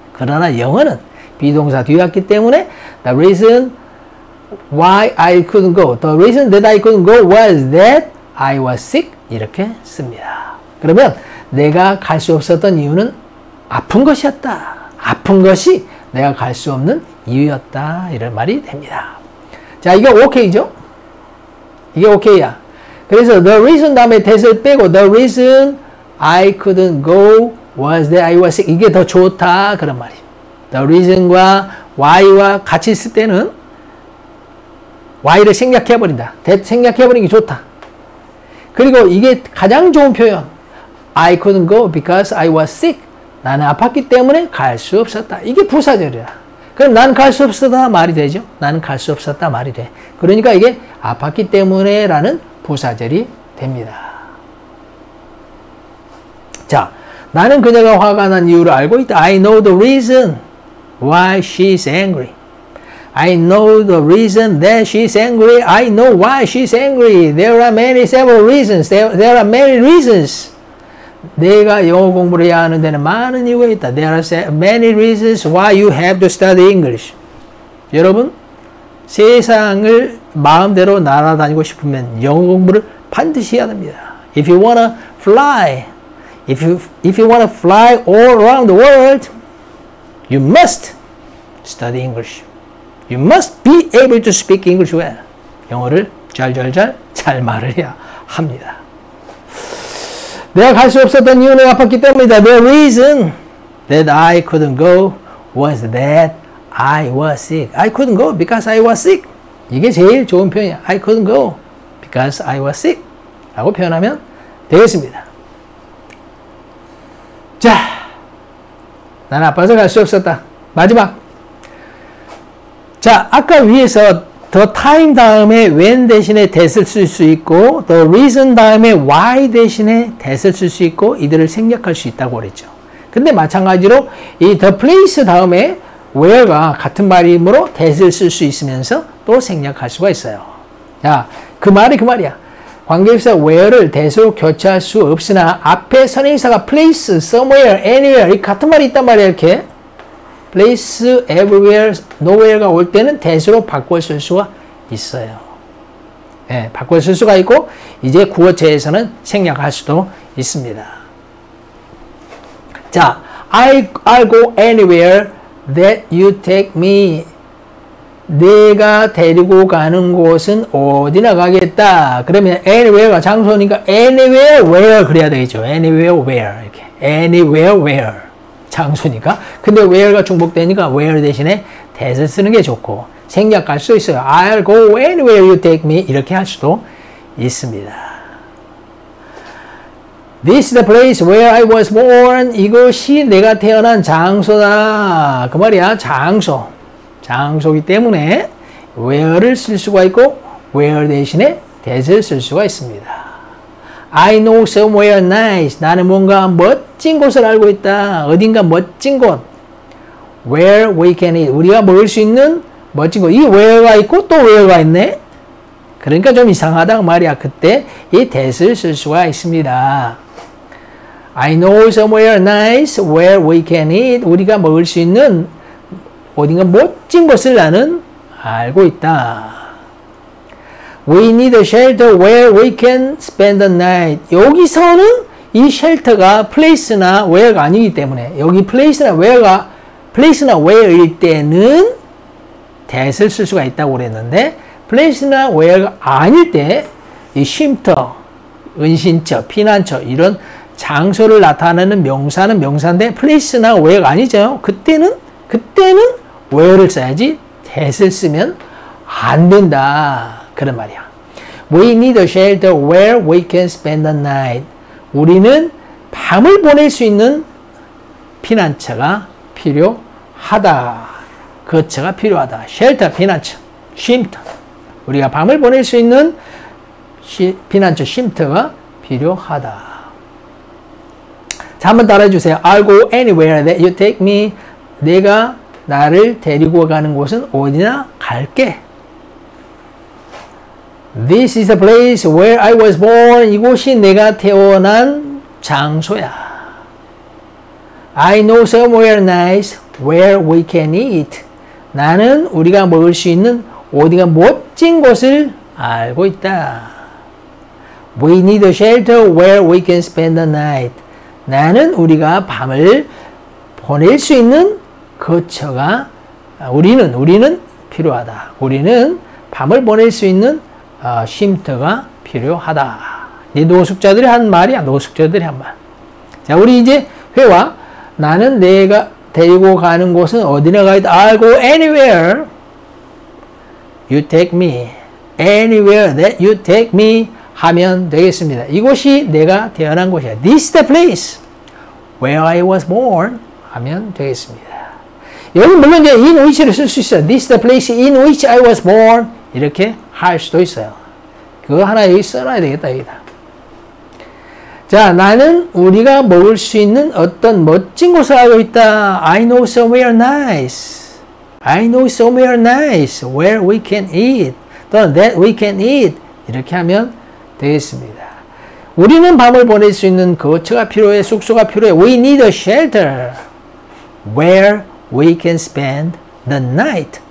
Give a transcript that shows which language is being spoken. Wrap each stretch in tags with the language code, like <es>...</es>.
<ko>그러나 영어는 비동사 뒤에 왔기 때문에</ko> <en>The reason why I couldn't go, The reason that I couldn't go was that I was sick.</en> <ko>이렇게 씁니다. 그러면 내가 갈 수 없었던 이유는 아픈 것이었다. 아픈 것이 내가 갈 수 없는 이유였다. 이런 말이 됩니다. 자, 이게 OK죠? 이게 OK야.</ko> <en>그래서 the reason</en> <ko>다음에 that을 빼고</ko> <en>the reason I couldn't go was that I was sick.</en> <ko>이게 더 좋다. 그런 말이. The reason과 why와 같이 있을 때는 why를 생략해버린다. that 생략해버리는 게 좋다. 그리고 이게 가장 좋은 표현.</ko> <en>I couldn't go because I was sick.</en> <ko>나는 아팠기 때문에 갈 수 없었다. 이게 부사절이야. 그럼 나는 갈 수 없었다 말이 되죠. 나는 갈 수 없었다 말이 돼. 그러니까 이게 아팠기 때문에 라는 부사절이 됩니다. 자, 나는 그녀가 화가 난 이유를 알고 있다.</ko> <en>I know the reason why she's angry. I know the reason that she's angry. I know why she's angry. There are many several reasons. There are many reasons.</en> <ko>내가 영어 공부를 해야 하는 데는 많은 이유가 있다.</ko> <en>There are many reasons why you have to study English.</en> <ko>여러분, 세상을 마음대로 날아다니고 싶으면 영어 공부를 반드시 해야 됩니다.</ko> <en>If you wanna fly, if you wanna fly all around the world, you must study English. You must be able to speak English well.</en> <ko>영어를 잘 말을 해야 합니다. 내가 갈 수 없었던 이유는 아팠기 때문이다.</ko> <en>The reason that I couldn't go was that I was sick. I couldn't go because I was sick.</en> <ko>이게 제일 좋은 표현이야.</ko> <en>I couldn't go because I was sick.</en> <ko>라고 표현하면 되겠습니다. 자, 난 아파서 갈 수 없었다. 마지막. 자, 아까 위에서 the time 다음에 when 대신에 that을 쓸 수 있고 the reason 다음에 why 대신에 that을 쓸 수 있고 이들을 생략할 수 있다고 그랬죠. 근데 마찬가지로 이 the place 다음에 where가 같은 말이므로 that을 쓸 수 있으면서 또 생략할 수가 있어요. 자, 그 말이 그 말이야. 관계부사 where를 that으로 교체할 수 없으나 앞에 선행사가 place, somewhere, anywhere 이 같은 말이 있단 말이야. 이렇게 place, everywhere, nowhere가 올 때는 that으로 바꿔 쓸 수가 있어요. 예, 네, 바꿔 쓸 수가 있고 이제 구어체에서는 생략할 수도 있습니다.</ko> <en>자, I'll go anywhere that you take me.</en> <ko>내가 데리고 가는 곳은 어디나 가겠다. 그러면 anywhere가 장소니까 anywhere, where 그래야 되겠죠. anywhere, where 이렇게 anywhere, where 장소니까. 근데 where가 중복되니까 where 대신에 that을 쓰는 게 좋고 생략할 수 있어요.</ko> <en>I'll go anywhere you take me</en> <ko>이렇게 할 수도 있습니다.</ko> <en>This is the place where I was born.</en> <ko>이것이 내가 태어난 장소다. 그 말이야. 장소. 장소이기 때문에 where를 쓸 수가 있고 where 대신에 that을 쓸 수가 있습니다.</ko> <en>I know somewhere nice.</en> <ko>나는 뭔가 멋진 곳을 알고 있다. 어딘가 멋진 곳.</ko> <en>Where we can eat.</en> <ko>우리가 먹을 수 있는 멋진 곳. 이 where가 있고 또 where가 있네. 그러니까 좀 이상하단 말이야. 그때 이 that을 쓸 수가 있습니다.</ko> <en>I know somewhere nice where we can eat.</en> <ko>우리가 먹을 수 있는 어딘가 멋진 곳을 나는 알고 있다.</ko> <en>We need a shelter where we can spend the night. 여기서는</en> <ko>이 쉘터가 place나 where가 아니기 때문에 여기 place나 where가 place나 where일 때는 that을 쓸 수가 있다고 그랬는데 place나 where가 아닐 때 이 쉼터, 은신처, 피난처 이런 장소를 나타내는 명사는 명사인데 place나 where가 아니죠. 그때는 where를 써야지 that을 쓰면 안 된다. 그런 말이야.</ko> <en>We need a shelter where we can spend the night.</en> <ko>우리는 밤을 보낼 수 있는 피난처가 필요하다. 거처가 필요하다. Shelter, 피난처, 쉼터. 우리가 밤을 보낼 수 있는 피난처, 쉼터가 필요하다. 자, 한번 따라해주세요.</ko> <en>I'll go anywhere that you take me.</en> <ko>내가 나를 데리고 가는 곳은 어디나 갈게.</ko> <en>This is the place where I was born.</en> <ko>이곳이 내가 태어난 장소야.</ko> <en>I know somewhere nice where we can eat.</en> <ko>나는 우리가 먹을 수 있는 어디가 멋진 곳을 알고 있다.</ko> <en>We need a shelter where we can spend the night.</en> <ko>나는 우리가 밤을 보낼 수 있는 거처가 우리는 필요하다. 우리는 밤을 보낼 수 있는 쉼터가 필요하다. 이 노숙자들이 한 말이야. 노숙자들이 한 말. 자, 우리 이제 회화. 나는 내가 데리고 가는 곳은 어디나 가야 돼.</ko> <en>I'll go anywhere you take me. Anywhere that you take me</en> <ko>하면 되겠습니다. 이곳이 내가 태어난 곳이야.</ko> <en>This is the place where I was born</en> <ko>하면 되겠습니다. 여기 물론 이제 in which를 쓸 수 있어요.</ko> <en>This is the place in which I was born.</en> <ko>이렇게 할 수도 있어요. 그거 하나 여기 써놔야 되겠다. 여기다. 자, 나는 우리가 먹을 수 있는 어떤 멋진 곳을 알고 있다.</ko> <en>I know somewhere nice. I know somewhere nice where we can eat.</en> <ko>또는</ko> <en>that we can eat.</en> <ko>이렇게 하면 되겠습니다. 우리는 밤을 보낼 수 있는 거처가 필요해. 숙소가 필요해.</ko> <en>We need a shelter where we can spend the night.</en>